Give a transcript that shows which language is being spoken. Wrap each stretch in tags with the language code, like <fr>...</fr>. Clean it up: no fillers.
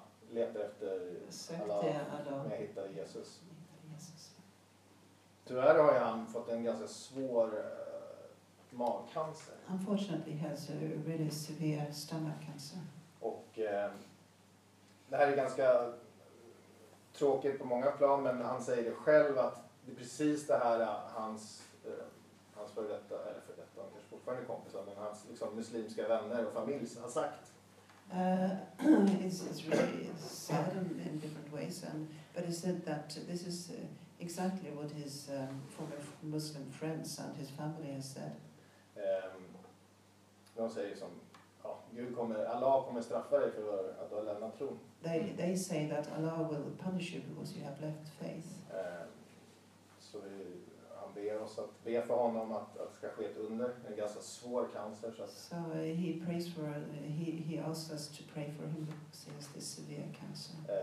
<sv>Letar efter Allah, men jag hittar Jesus. Tyvärr har han fått en ganska svår magcancer.</sv> <en>Unfortunately he has a really severe stomach cancer.</en> <sv>Och det här är ganska tråkigt på många plan, men han säger det själv att det är precis det här hans före detta, eller före detta, han kanske fortfarande är kompisar, men hans liksom, muslimska vänner och familj har sagt.</sv> <en>It's really sad in different ways, and but he said that this is exactly what his former Muslim friends and his family has said.</en> <sv>De säger som, ja, Gud kommer, Allah kommer straffa dig för att du har lämnat tron.</sv> <en>They say that Allah will punish you because you have left faith.</en> <sv>Så vi, han ber oss att be för honom att det ska ske ett under, en ganska svår cancer. Så att,</sv> <en>so he prays for he asks us to pray for him because he has this severe cancer.</en>